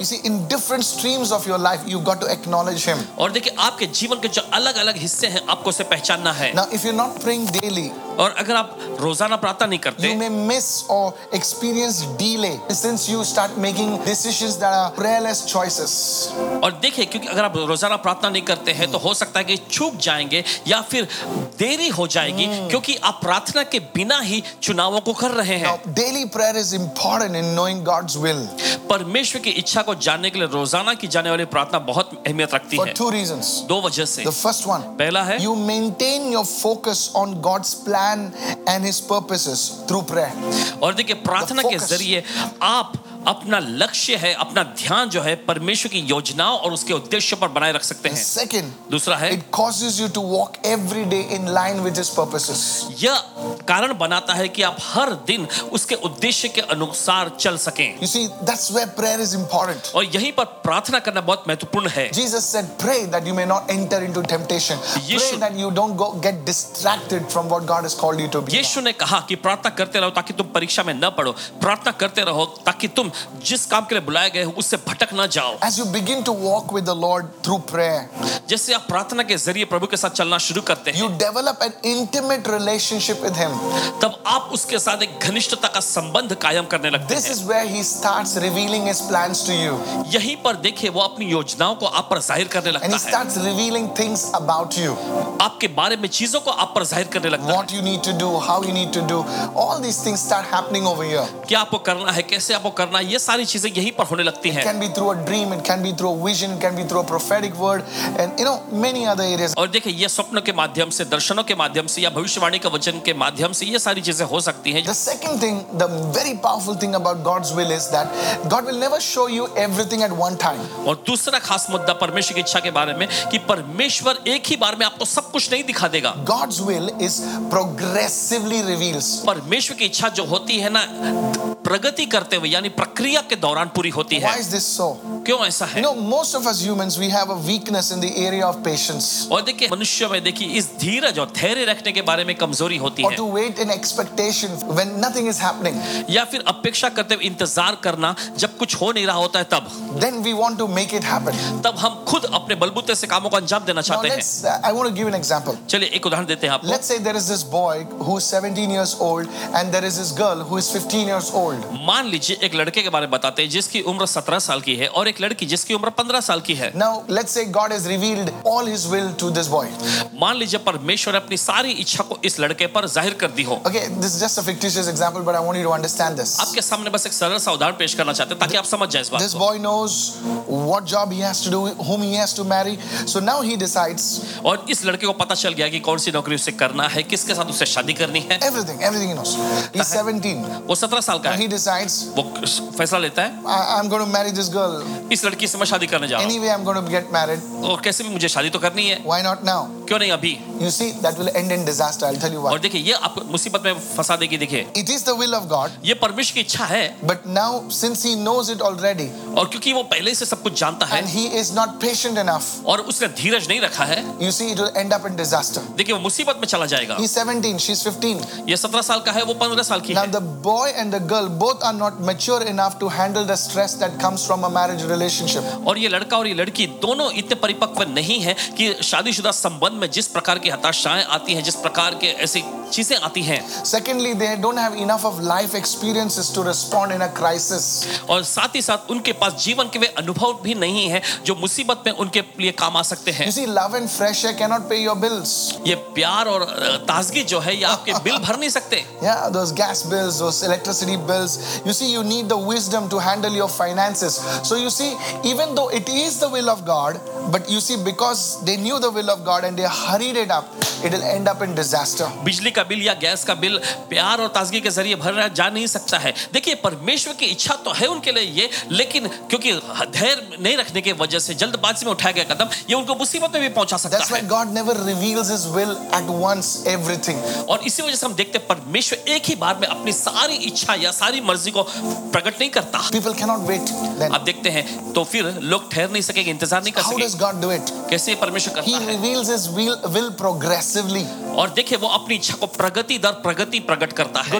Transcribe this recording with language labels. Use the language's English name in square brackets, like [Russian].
[English] You see, in different streams of your life, you've got to acknowledge him. [Hindi] और देखिए आपके जीवन के जो अलग अलग हिस्से हैं आपको उसे पहचानना है. [English] Now, if you're not praying daily, [Hindi] और अगर आप रोजाना प्रार्थना नहीं करते, [English] you may miss or experience delay since you start making decisions that are prayerless choices. [Hindi] और देखिए क्योंकि अगर आप रोजाना प्रार्थना नहीं करते हैं तो हो सकता है कि चूक जाएंगे या फिर देरी हो जाएगी क्योंकि आप प्रार्थना के बिना ही चुनावों को कर रहे हैं. [English] Daily prayer is important in knowing God's will. [Hindi] परमेश्वर की इच्छा को जानने के लिए रोजाना की जाने वाली प्रार्थना बहुत अहमियत रखती है. [English] For two reasons. [Hindi] दो वजह से. [English] The first one. [Hindi] पहला है. [English] You maintain your focus on God's plan and his purposes through prayer. [Hindi] और देखिए प्रार्थना के जरिए आप अपना लक्ष्य है, अपना ध्यान जो है परमेश्वर की योजनाओं और उसके उद्देश्य पर बनाए रख सकते हैं. [English] Second, [Hindi] दूसरा है, [English] it causes you to walk every day in line with his purposes. [Hindi] यह कारण बनाता है कि आप हर दिन उसके उद्देश्य के अनुसार चल सकें. [English] You see, that's where prayer is important. [Hindi] और यहीं पर प्रार्थना करना बहुत महत्वपूर्ण है. [English] Jesus said, pray that you may not enter into temptation. Pray that you don't go get distracted from what God has called you to be. [Hindi] यीशु ने कहा कि प्रार्थना करते रहो ताकि तुम परीक्षा में न पड़ो. प्रार्थना करते रहो ताकि तुम जिस काम के लिए बुलाए गए हो उससे भटक न जाओ. [English] As you begin to walk with the Lord through prayer, [Hindi] जैसे आप प्रार्थना के जरिए प्रभु के साथ चलना शुरू करते हैं, [English] you develop an intimate relationship with Him. [Hindi] तब आप उसके साथ एक घनिष्ठता का संबंध कायम करने लगते हैं. [English] This is where He starts revealing His plans to you. [Hindi] यहीं पर देखिए वो अपनी योजनाओं को आप पर जाहिर करने लगता है. [English] And He starts revealing things about you. [Hindi] आपके बारे में चीजों को आप पर जाहिर करने लगता है. [English] What you need to do, how you need to do, all these things start happening over here. [Hindi] क्या आपको करना है, कैसे आपको करना है, ये सारी चीजें यहीं पर होने लगती हैं. [English] It can be through a dream, it can be through a vision, it can be through a prophetic word, and you know many other areas. [Hindi] और देखिए ये स्वप्नों के माध्यम से, दर्शनों के माध्यम से, या भविष्यवाणी के वचन के माध्यम से ये सारी चीजें हो सकती हैं. [English] The second thing, the very powerful thing about God's will is that God will never show you everything at one time. [Hindi] और दूसरा खास मुद्दा परमेश्वर की इच्छा के बारे में कि परमेश्वर एक ही बार में आपको सब कुछ नहीं दिखा देगा. [English] God's will is progressively reveals. [Hindi] परमेश्वर की इच्छा जो होती है ना प्रगति करते हुए यानी प्रक्रिया के दौरान पूरी होती है. [English] Why is this so? [Hindi] क्यों ऐसा है? [English] You know, most of us humans, we have a weakness in the area of patience. [Hindi] और देखिए मनुष्य में देखिए इस धीरज और धैर्य रखने के बारे में कमजोरी होती है. [English] Or to wait in expectation when nothing is happening. [Hindi] या फिर अपेक्षा करते हुए इंतजार करना जब कुछ हो नहीं रहा होता है तब. [English] Then we want to make it happen. [Hindi] तब हम खुद अपने बलबूते से कामों को अंजाम देना चाहते हैं. [English] I want to give an example. [Hindi] चलिए एक उदाहरण देते हैं आपको. [English] Let's say there is this boy who is 17 years old and there is this girl who is 15 years old. [Hindi] मान लीजिए एक लड़के के बारे में बताते हैं जिसकी उम्र 17 साल की है और एक लड़की जिसकी उम्र 15 साल की है. [English] Now let's say God has revealed all his will to this boy. [Hindi] मान लीजिए परमेश्वर ने अपनी सारी इच्छा को इस लड़के पर जाहिर कर दी हो. [English] Okay, this is just a fictitious example, but I want you to understand this. [Hindi] आपके सामने बस एक सरल सा उदाहरण पेश करना चाहते हैं ताकि आप समझ जाए इस बात को. [English] This boy knows what job he has to do, whom he has to marry. So now he decides. [Hindi] और इस लड़के को पता चल गया कि कौन सी नौकरी उसे करना है, किसके साथ उसे शादी करनी है. [English] Everything he knows. He's 17. [Hindi] वो 17 साल का है. [English] He decides. [Hindi] वो फैसला लेता है. [English] I'm going to marry this girl. [Hindi] इस लड़की से मैं शादी करने जा रहा हूं. [English] Anyway, I'm going to get married. [Hindi] और कैसे भी मुझे शादी तो करनी है. [English] Why not now? [Hindi] क्यों नहीं अभी? [English] You see, that will end in disaster. I'll tell you why. [Hindi] और देखिए ये आपको मुसीबत में फंसा देगी. देखिए. [English] It is the will of God. [Hindi] ये परमेश्वर की इच्छा है. [English] But now, since he knows it already. [Hindi] और क्योंकि वो पहले से सब कुछ जानता है. [English] And he is not patient enough. [Hindi] और उसने धीरज नहीं रखा है. [English] You see, it will end up in disaster. [Hindi] देखिए वो मुसीबत में चला जाएगा. [English] He's 17, she's 15. [Hindi] ये 17 साल का है, वो 15 साल की है. [English] Now the boy and the girl both are not mature enough to handle the stress that comes from a marriage. [Hindi] और ये लड़का और ये लड़की दोनों इतने परिपक्व नहीं है कि शादीशुदा संबंध में जिस प्रकार की हताशाएं आती हैं, जिस प्रकार के ऐसी चीजें आती हैं. [English] Secondly, they don't have enough of life experiences to respond in a crisis. [Hindi] और साथ ही साथ उनके पास जीवन के वे अनुभव भी नहीं है जो मुसीबत में उनके लिए काम आ सकते हैं. [English] You see, love and fresh air cannot pay your bills. [Hindi] ये प्यार और ताजगी जो है ये आपके बिल भर नहीं सकते. [English] Yeah, those gas bills, those electricity bills. You see, you need the wisdom to handle your finances. So you see, even though it is the will of God, but you see, because they knew the will of God and they hurried it up, it'll end up in disaster. [Hindi] बिजली का bill या gas का bill प्यार और ताजगी के जरिए भर रहा जा नहीं सकता है. देखिए परमेश्वर की इच्छा तो है उनके लिए ये, लेकिन क्योंकि धैर्य नहीं रखने के वजह से जल्दबाजी में उठाया गया कदम ये उनको मुसीबत में भी पहुंचा सकता है. [English] That's why God never reveals his will at once everything. [Hindi] और इसी वजह से हम देखते हैं परमेश्वर एक ही बार में अपनी सारी इच्छा या सारी मर्जी को प्रकट नहीं करता. [English] People cannot wait then. [Hindi] आप देखते हैं तो फिर लोग ठहर नहीं सकेंगे, इंतजार नहीं कर सकेंगे. [English] How does God do it? [Hindi] कैसे परमेश्वर करता है? [English] He reveals his will progressively. [Hindi] और देखिए वो अपनी इच्छा को प्रगति दर प्रगति प्रकट करता है.